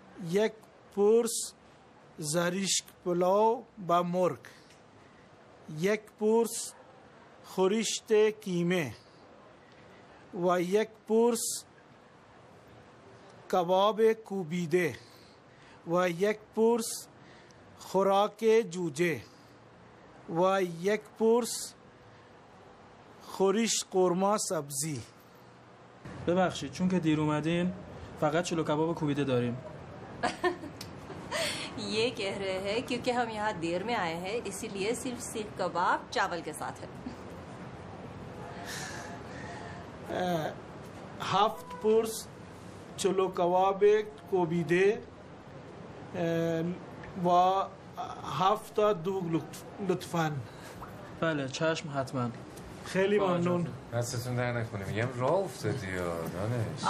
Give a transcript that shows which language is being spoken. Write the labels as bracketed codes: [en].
[fa] یک پرس زرشک پلو با مرغ، یک پرس خورشت قیمه و یک پرس کباب کوبیده و یک پرس خوراک جوجه و یک پرس خورشت قورمه سبزی. ببخشید چون که دیر اومدین فقط چلو کباب کوبیده داریم. [ur] یہ کہہ رہے ہیں کیونکہ ہم یہاں دیر میں آئے ہیں اسی لیے صرف سیخ کباب چاول کے ساتھ ہے. [fa] هفت پرس چلو کباب کوبیده و هفت تا دوغ لطفا. بله چشم، حتما. خیلی ممنون. حسستون در نکنه میگم راه افتادی یا دانش.